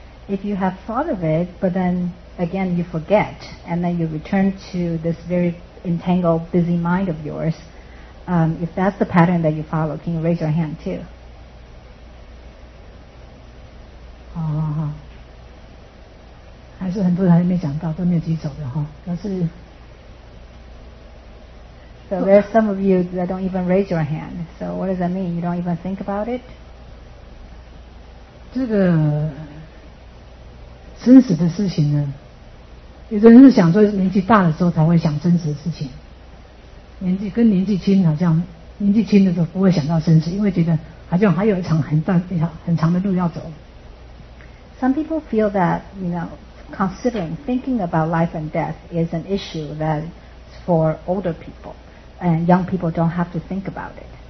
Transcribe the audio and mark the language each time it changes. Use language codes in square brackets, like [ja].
[en] If you have thought of it, but then again you forget, and then you return to this very entangled, busy mind of yours, if that's the pattern that you follow, can you raise your hand too? [zh] 好好好，还是很多人还没讲到，都没有举手的哈。但是 [en] ，So there's some of you that don't even raise your hand. So what does that mean? You don't even think about it? [zh] 这个生死的事情呢，有的人是想说年纪大的时候才会想生死的事情，年纪跟年纪轻好像年纪轻的时候不会想到生死，因为觉得好像还有一场很长的路要走。 [en] Some people feel that, you know, considering, thinking about life and death is an issue that's for older people, and young people don't have to think about it.